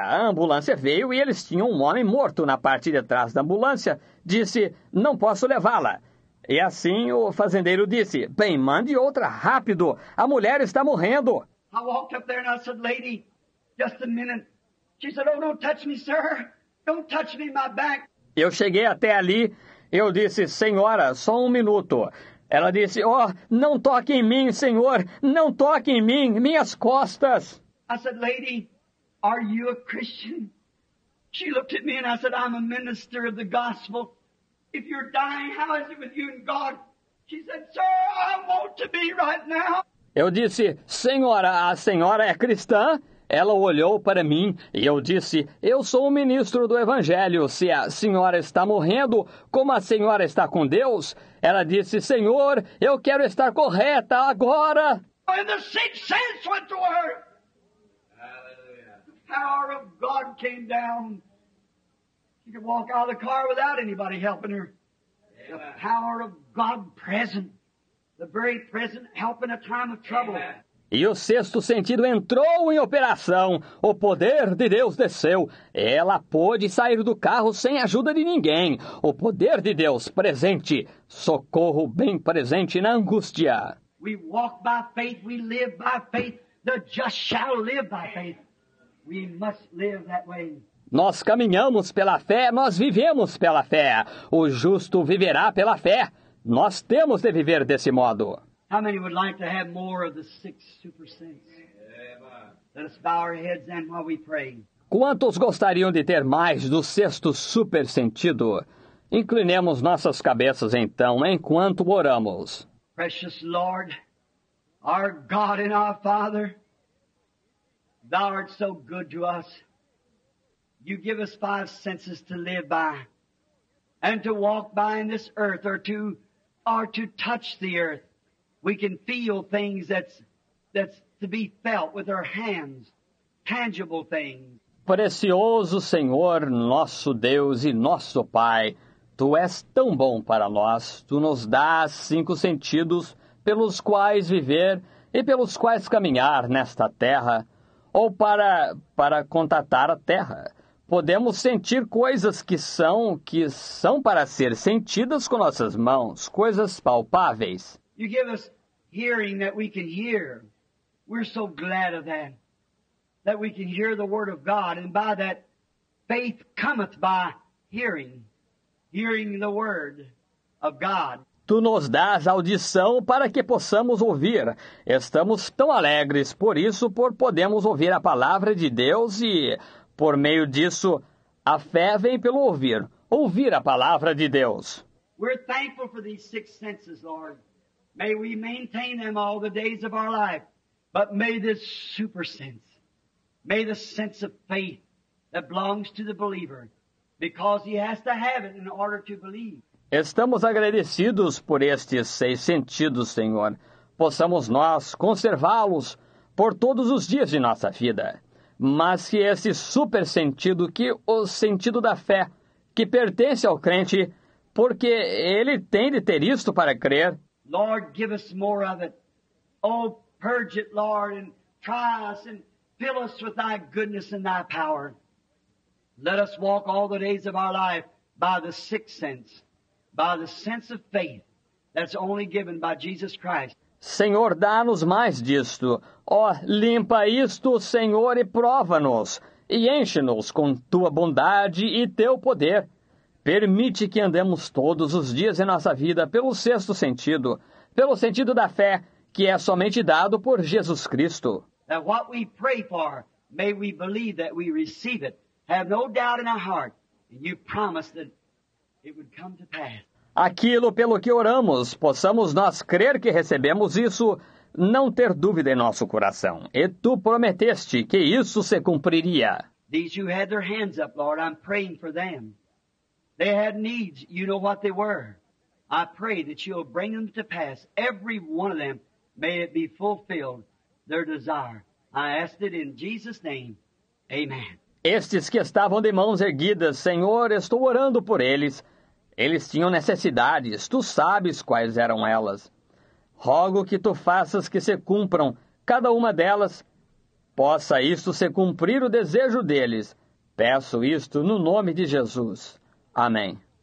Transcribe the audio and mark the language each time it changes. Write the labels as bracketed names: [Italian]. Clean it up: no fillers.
[Portuguese] A ambulância veio e eles tinham um homem morto na parte de trás da ambulância. Disse, não posso levá-la. E assim o fazendeiro disse, bem, mande outra, rápido. A mulher está morrendo. [English] I walked up there and I said, lady, just a minute. She said, oh, don't touch me, sir. Don't touch me, my back. [Portuguese] Eu cheguei até ali, eu disse, senhora, só um minuto. Ela disse, oh, não toque em mim, senhor, não toque em mim, minhas costas. [English] I said, lady, are you a Christian? She looked at me and I said, I'm a minister of the gospel. If you're dying, how is it with you and God? She said, sir, I want to be right now. [Portuguese] Eu disse, senhora, a senhora é cristã? Ela olhou para mim e eu disse, eu sou o ministro do evangelho. Se a senhora está morrendo, como a senhora está com Deus? Ela disse, senhor, eu quero estar correta agora. E o [English] sixth sense went to her. Hallelujah. The power of God came down. She could walk out of the car without anybody helping her. Amen. The power of God present. The very present help in a time of trouble. Amen. [Portuguese] E o sexto sentido entrou em operação. O poder de Deus desceu. Ela pôde sair do carro sem ajuda de ninguém. O poder de Deus presente. Socorro bem presente na angústia. [English] We walk by faith, we live by faith. The just shall live by faith. We must live that way. [Portuguese] Nós caminhamos pela fé, nós vivemos pela fé. O justo viverá pela fé. Nós temos de viver desse modo. [English] How many would like to have more of the sixth super sense? Let us bow our heads and while we pray. [Portuguese] Quantos gostariam de ter mais do sexto super sentido? Inclinemos nossas cabeças então, enquanto oramos. [English] Precious Lord, our God and our Father, Thou art so good to us. You give us five senses to live by, and to walk by in this earth, or to touch the earth. We can feel things that's to be felt with our hands, tangible things. [Portuguese] Precioso Senhor, nosso Deus e nosso Pai, Tu és tão bom para nós. Tu nos dás cinco sentidos pelos quais viver e pelos quais caminhar nesta terra, ou para contatar a terra. Podemos sentir coisas que são para ser sentidas com nossas mãos, coisas palpáveis. [English] You give us hearing that we can hear. We're so glad of that. That we can hear the word of God. And by that, faith cometh by hearing. Hearing the word of God. [Portuguese] Tu nos dás audição para que possamos ouvir. Estamos tão alegres por isso, por podemos ouvir a palavra de Deus e, por meio disso, a fé vem pelo ouvir. Ouvir a palavra de Deus. [English] We're thankful for these six senses, Lord. May we maintain them all the days of our life. But may this super sense, may the sense of faith that belongs to the believer, because he has to have it in order to believe. [Portuguese] Estamos agradecidos por estes seis sentidos, Senhor. Possamos nós conservá-los por todos os dias de nossa vida. Mas que esse super sentido, que o sentido da fé, que pertence ao crente, porque ele tem de ter isto para crer, [English] Lord, give us more of it. Oh, purge it, Lord, and try us and fill us with thy goodness and thy power. Let us walk all the days of our life by the sixth sense, by the sense of faith that's only given by Jesus Christ. [Portuguese] Senhor, dá-nos mais disto. Oh, limpa isto, Senhor, e prova-nos, e enche-nos com tua bondade e teu poder. Permite que andemos todos os dias em nossa vida pelo sexto sentido, pelo sentido da fé, que é somente dado por Jesus Cristo. [English] That what we pray for, may we believe that we receive it. Have no doubt in our heart, and you promised that it would come to pass. [Portuguese] Aquilo pelo que oramos, possamos nós crer que recebemos isso, não ter dúvida em nosso coração. E tu prometeste que isso se cumpriria. [English] These who had their hands up, Lord, I'm praying for them. They had needs, you know what they were. I pray that you'll bring them to pass. Every one of them, may it be fulfilled, their desire. I ask it in Jesus' name. Amen. [Portuguese] Estes que estavam de mãos erguidas, Senhor, estou orando por eles. Eles tinham necessidades. Tu sabes quais eram elas. rogo que tu faças que se cumpram cada uma delas. Possa isto se cumprir o desejo deles. Peço isto no nome de Jesus. Amém.